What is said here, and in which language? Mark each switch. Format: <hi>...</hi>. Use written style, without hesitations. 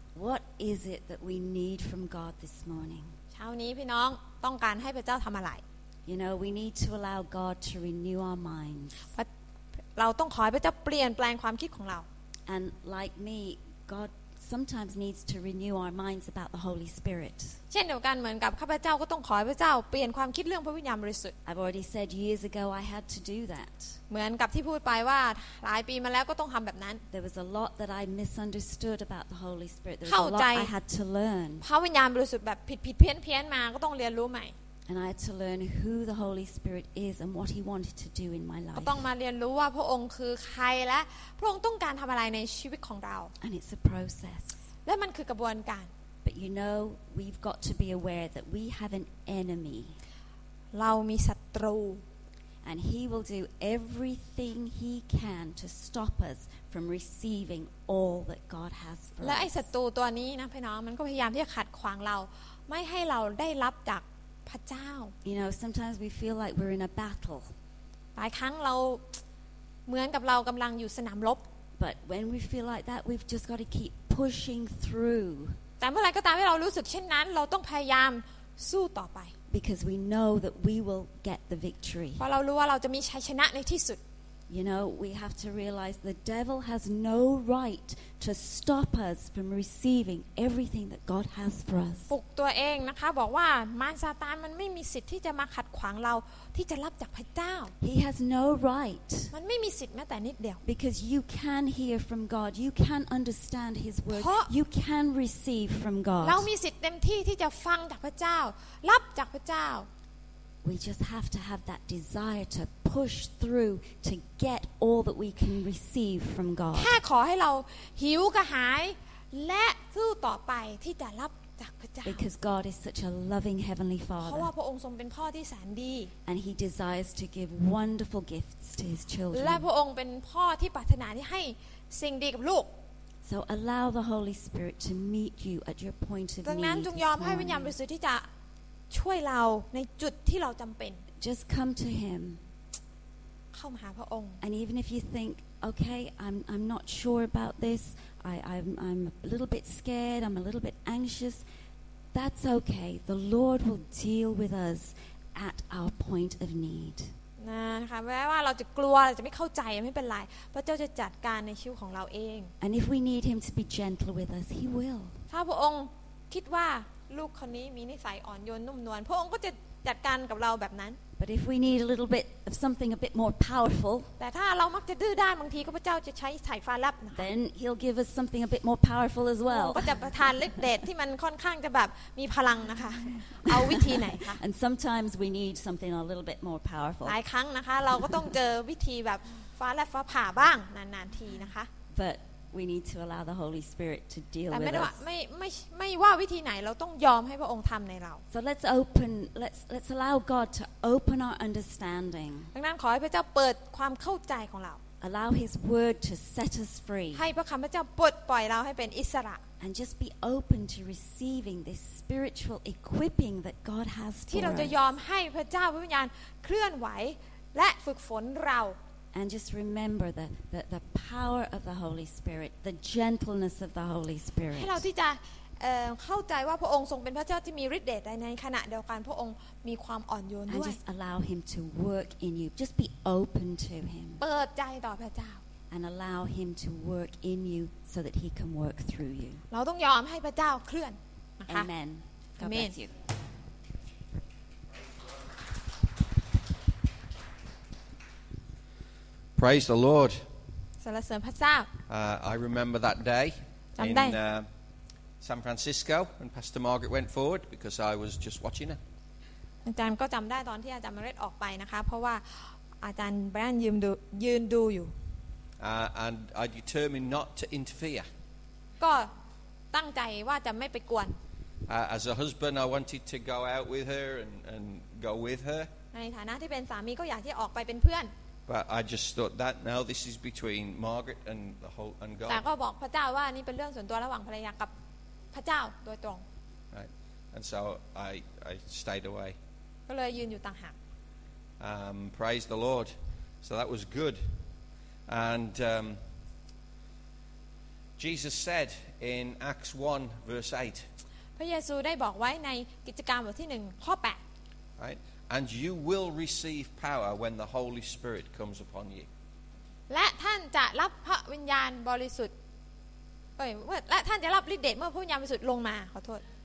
<en>What is it that we need from God this morning?</en> <th>เช้านี้พี่น้องต้องการให้พระเจ้าทำอะไร</th> <en>You know we need to allow God to renew our minds</en> <th>เราต้องขอให้พระเจ้าเปลี่ยนแปลงความคิดของเรา</th> <en>And like me God sometimes needs to renew our minds about the Holy Spirit.</en> <th>เช่นเดียวกันเหมือนกับข้าพเจ้าก็ต้องขอให้พระเจ้าเปลี่ยนความคิดเรื่องพระวิญญาณบริสุทธิ์</th> <en>I've already said years ago I had to do that.</en> <th>เหมือนกับที่พูดไปว่าหลายปีมาแล้วก็ต้องทำแบบนั้น</th> <en>There was a lot that I misunderstood about the Holy Spirit. There was a lot I had to learn.</en> <th>พระวิญญาณบริสุทธิ์แบบผิดเพี้ยนๆมาก็ต้องเรียนรู้ใหม่</th> <en>And I had to learn who the Holy Spirit is and what He wanted to do in my life.</en> <th>ต้องมาเรียนรู้ว่าพระองค์คือใครและพระองค์ต้องการทำอะไรในชีวิตของเรา</th> <en>And it's a process.</en> <th>และมันคือกระบวนการ</th> <en>But you know, we've got to be aware that we have an enemy.</en> <th>เรามีศัตรู</th> <en>And he will do everything he can to stop us from receiving all that God has for us.</en> <th>และไอ้ศัตรูตัวนี้นะพี่น้องมันก็พยายามที่จะขัดขวางเราไม่ให้เราได้รับจาก</th> <en>You know, sometimes we feel like we're in a battle.</en> <th>หลายครั้งเราเหมือนกับเรากำลังอยู่สนามรบ</th> <en>But when we feel like that, we've just got to keep pushing through.</en> <th>แต่เมื่อไรก็ตามที่เรารู้สึกเช่นนั้นเราต้องพยายามสู้ต่อไป</th> <en>Because we know that we will get the victory.</en> <th>เพราะเรารู้ว่าเราจะมีชัยชนะในที่สุด</th> <en>You know, we have to realize the devil has no right to stop us from receiving everything that God has for us.</en> <th>ปลุกตัวเองนะคะบอกว่ามารซาตานมันไม่มีสิทธิ์ที่จะมาขัดขวางเราที่จะรับจากพระเจ้า</th> <en>He has no right.</en> <th>มันไม่มีสิทธิ์แม้แต่นิดเดียว</th> <en>Because you can hear from God, you can understand His word, you can receive from God.</en> <th>เรามีสิทธิ์เต็มที่ที่จะฟังจากพระเจ้ารับจากพระเจ้า</th> <en>We just have to have that desire to push through to get all that we can receive from God.</en> <th>แค่ขอให้เราหิวกระหายและสู้ต่อไปที่จะรับจากพระเจ้า</th> <en>Because God is such a loving heavenly Father.</en> <th>เพราะว่าพระองค์ทรงเป็นพ่อที่แสนดี</th> <en>And He desires to give wonderful gifts to His children.</en> <th>และพระองค์เป็นพ่อที่ปรารถนาที่ให้สิ่งดีกับลูก</th> <en>So allow the Holy Spirit to meet you at your point of need.</en> <th>ดังนั้นจงยอมให้วิญญาณบริสุทธิ์ที่จะช่วยเราในจุดที่เราจำเป็น</th> <en>Just come to him</en> <th>เข้ามาหาพระองค์</th> <en>And even if you think okay I'm not sure about this I'm a little bit scared I'm a little bit anxious that's okay the Lord will deal with us at our point of need</en> <th>นะคะแม้ว่าเราจะกลัวจะไม่เข้าใจไม่เป็นไรพระเจ้าจะจัดการในชีวิตของเราเอง</th> <en>And if we need him to be gentle with us he will</en> <th>ถ้าพระองค์คิดว่าลูกคนนี้มีนิสัยอ่อนโยนนุ่มนวลพระองค์ก็จะจัดการกับเราแบบนั้น</th> <en>But if we need a little bit of something a bit more powerful</en> <th>แต่ถ้าเรามักจะดื้อด้านบางทีก็พระเจ้าจะใช้สายฟ้าลับ</th> <en>Then he'll give us something a bit more powerful as well</en> <th>ก็จะประทานฤทธิ์เดชที่มันค่อนข้างจะแบบมีพลังนะคะเอาวิธีไหนคะ</th> <en>And sometimes we need something a little bit more powerful</en> <th>หลายครั้งนะคะเราก็ต้องเจอวิธีแบบฟ้าและฟ้าผ่าบ้างนานๆทีนะคะ</th> <en>ButWe need to allow the Holy Spirit to deal with us.</en> <th>แต่ไม่ว่าวิธีไหนเราต้องยอมให้พระองค์ทำในเรา</th> <en>So let's allow God to open our understanding.</en> <th>ดังนั้นขอให้พระเจ้าเปิดความเข้าใจของเรา</th> <en>Allow His Word to set us free.</en> <th>ให้พระคำพระเจ้าปลดปล่อยเราให้เป็นอิสระ</th> <en>And just be open to receiving this spiritual equipping that God has for us.</en> <th>ที่เราจะยอมให้พระเจ้าพระวิญญาณเคลื่อนไหวและฝึกฝนเรา</th> <en>And just remember the power of the Holy Spirit, the gentleness of the Holy Spirit.</en> <th>ให้เราที่จะเข้าใจว่าพระองค์ทรงเป็นพระเจ้าที่มีฤทธิ์เดชแต่ในขณะเดียวกันพระองค์มีความอ่อนโยนด้วย</th> <en>And just allow Him to work in you. Just be open to Him.</en> <th>เปิดใจต่อพระเจ้า</th> <en>And allow Him to work in you so that He can work through you.</en> <th>เราต้องยอมให้พระเจ้าเคลื่อนนะคะ</th> <en>Amen. God bless you. Praise the Lord.</en> <th>สรรเสริญพระเจ้า</th> <en>I remember that day in San Francisco when Pastor Margaret went forward because I was just watching her.</en> <th>อาจารย์ก็จำได้ตอนที่อาจารย์มาเรดออกไปนะคะเพราะว่าอาจารย์แบรนด์ยืนดูอยู่</th> <en>And I determined not to interfere.</en> <th>ก็ตั้งใจว่าจะไม่ไปกวน</th> <en>As a husband, I wanted to go out with her and go with her.</en> <th>ในฐานะที่เป็นสามีก็อยากที่ออกไปเป็นเพื่อน</th> <en>But I just thought that now this is between Margaret and the whole and God.</en> <th>แต่ก็บอกพระเจ้าว่านี่เป็นเรื่องส่วนตัวระหว่างภรรยากับพระเจ้าโดยตรง</th> <en>Right. And so I stayed away.</en> <th>ก็เลยยืนอยู่ต่างหาก</th> <en>Praise the Lord. So that was good. And Jesus said in Acts 1 verse 8.</en> <th>พระเยซูได้บอกไว้ในกิจการบทที่1ข้อ8</th> <en>Right. And you will receive power when the Holy Spirit comes upon you.</en> <th>และท่านจะรับพระวิญญาณบริสุทธิ์และท่านจะรับฤทธิ์เดชเมื่อผู้ยามวิสุทธิ์ลงมาขอโทษ</th>